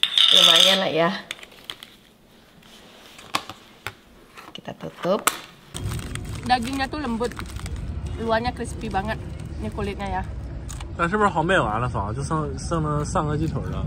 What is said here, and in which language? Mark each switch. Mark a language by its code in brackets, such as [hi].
[zh] 这玩意儿来呀， [id] kita tutup. Dagingnya tuh lembut, luarnya crispy banget, ini kulitnya ya. [zh] 那是不是好卖完了，嫂？就剩了三个鸡腿了。